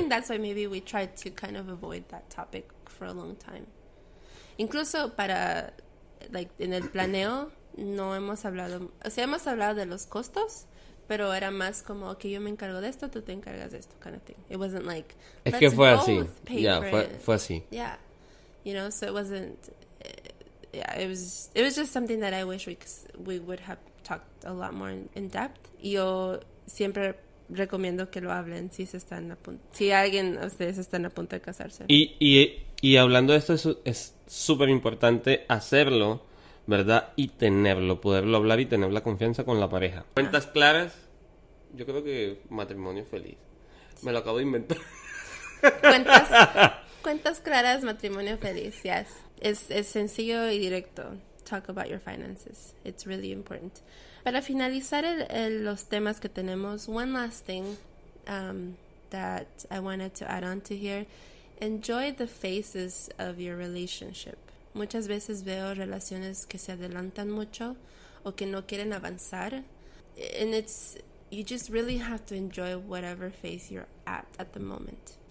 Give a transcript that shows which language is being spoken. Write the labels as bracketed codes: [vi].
[en] I think that's why maybe we tried to kind of avoid that topic for a long time. [es] Incluso para, like, en el planeo, no hemos hablado, o sea, hemos hablado de los costos, pero era más como, okay, yo me encargo de esto, tú te encargas de esto, [en] kind of thing. It wasn't like, [es] Es que [en] let's [es] fue así, [en] both pay for it. [es] fue así. Yeah. [en] You know, so it wasn't, yeah, it was just something that I wish we would have talked a lot more in depth. [es] Yo siempre recomiendo que lo hablen si se están a punto, si alguien de ustedes están a punto de casarse. Y hablando de esto, es súper importante hacerlo, ¿verdad? Y tenerlo, poderlo hablar y tener la confianza con la pareja. Cuentas claras, yo creo que matrimonio feliz. Me lo acabo de inventar. Cuentas claras, matrimonio feliz, yes. Es sencillo y directo. [en] Talk about your finances. It's really important. [es] Para finalizar los temas que tenemos, [en] one last thing that I wanted to add on to here. Enjoy the phases of your relationship. [es] Muchas veces veo relaciones que se adelantan mucho o que no quieren avanzar. [en] And it's, you just really have to enjoy whatever phase you're at the moment.